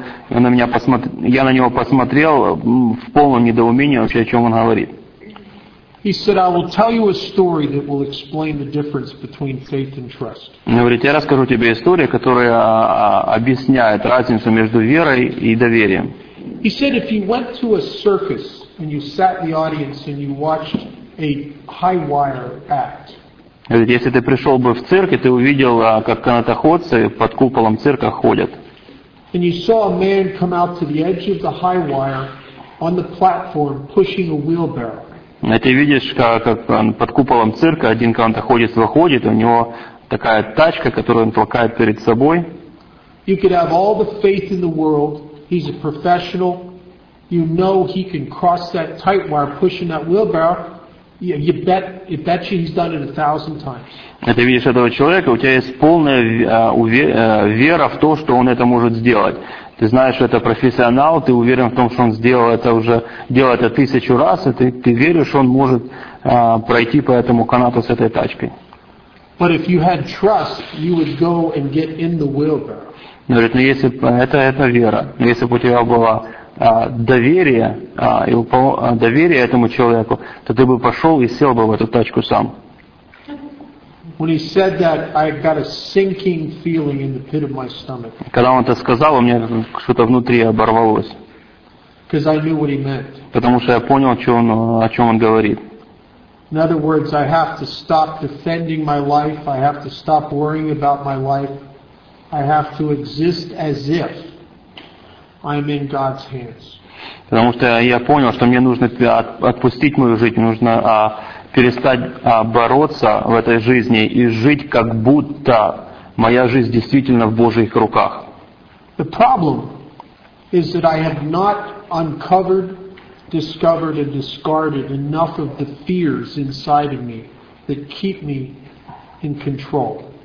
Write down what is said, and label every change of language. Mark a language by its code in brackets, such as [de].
[ru] Я на него посмотрел в полном недоумении вообще, о чем он говорит. [en] He said, I will tell you a story that will explain the difference between faith and trust. [ru] Он говорит, я расскажу тебе историю, которая объясняет разницу между верой и доверием. [en] He said, if you went to a circus and you sat in the audience and you watched a high wire act. [ru] Говорит, если ты пришел бы в цирк, и ты увидел, как канатоходцы под куполом цирка ходят. [en] And you saw a man come out to the edge of the high wire on the platform pushing a wheelbarrow. [ru] А ты видишь, как под куполом цирка один канатоходец выходит, у него такая тачка, которую он толкает перед собой. [en] You could have all the faith in the world. He's a professional. You know he can cross that tight wire pushing that wheelbarrow. Yeah, you bet you he's done it 1,000 times. [ru] Ты видишь этого человека, у тебя есть полная вера в то, что он это может сделать. Ты знаешь, что это профессионал, ты уверен в том, что он делал это 1000 раз, и ты веришь, что он может пройти по этому канату с этой тачкой. [en] But if you had trust, you would go and get in the wheelbarrow. [ru] Говорит, ну если это вера, если бы у тебя была доверие и доверие этому человеку, то ты бы пошел и сел бы в эту тачку сам. [en] When he said that, I got a sinking feeling in the pit of my stomach. [ru] Когда он это сказал, у меня что-то внутри оборвалось. [en] Because I knew what he meant. [ru] Потому что я понял, о чем он говорит. [en] In other words, I have to stop defending my life. I have to stop worrying about my life. I have to exist as if I'm in God's hands. [ru] Потому что я понял, что мне нужно отпустить мою жизнь, нужно перестать бороться в этой жизни и жить, как будто моя жизнь действительно в Божьих руках. [en] The problem is that I have not uncovered, discovered, and discarded enough of the fears inside of me that keep me in control.